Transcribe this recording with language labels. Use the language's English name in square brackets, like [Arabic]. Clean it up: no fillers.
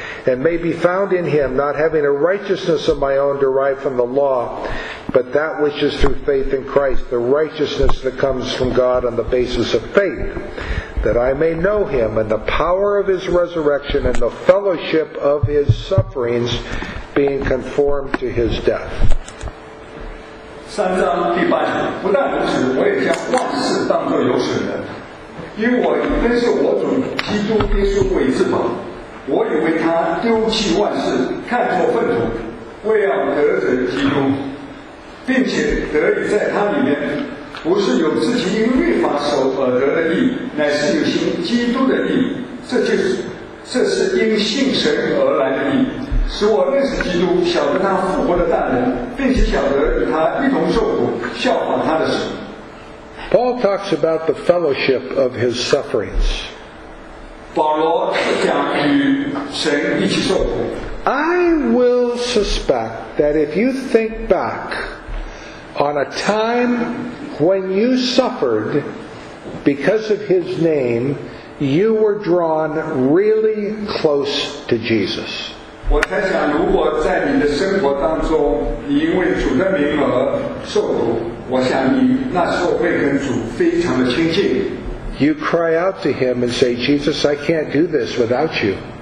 [English] And may be found in Him, not having a righteousness of my own derived from the law, but that which is through faith in Christ, the righteousness that comes from God on the basis of faith, that I may know Him and the power of His resurrection and the fellowship of His sufferings, being conformed to His death. [Chinese] 三章第八节，不但如此，我也将万事当作有损的，因为我真是我主基督耶稣为至宝。我以为他丢弃万事，看作粪土，为要得着基督，并且得以在他里面，不是有自己因律法守而得的义，乃是有行基督的义。这是因信神而来的义，使我认识基督，晓得他复活的大能，并且晓得与他一同受苦，效法他的死。 [English] Paul talks about the fellowship of his sufferings. [Chinese] 保罗讲与神一起受苦。 [English] I will suspect that if you think back on a time when you suffered because of His name, you were drawn really close to Jesus. [Chinese] 我在想，如果在你的生活当中，你因为主的名而受苦，我想你那时候会跟主非常的亲近。 [English] You cry out to Him and say, Jesus, I can't do this without you.